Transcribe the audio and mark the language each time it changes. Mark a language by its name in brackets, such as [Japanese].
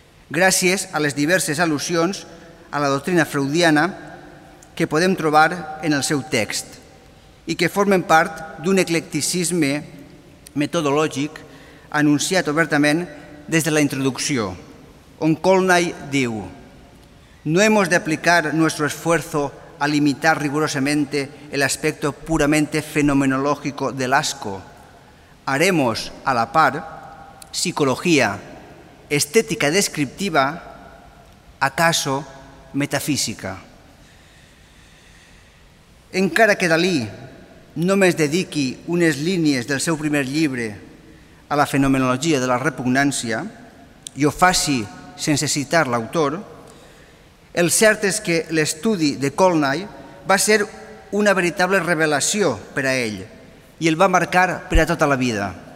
[Catalan] gràcies a les diverses al·lusions a la doctrina freudiana que podem trobar en el seu text i que formen part d'un eclecticisme metodològic anunciat obertament des de la introducció, on Conley diu: [Spanish] «No hemos de aplicar nuestro esfuerzo a limitar rigurosamente el aspecto puramente fenomenológico del asco. Haremos, a la par, psicología, estética descriptiva, acaso metafísica». [Catalan] Encara que Dalí només dediqui unes línies del seu primer llibre a la fenomenologia de la repugnància i ho faci sense citar l'autor, el cert és que l'estudi de Conley va ser una veritable revelació per a ell i el va marcar per a tota la vida.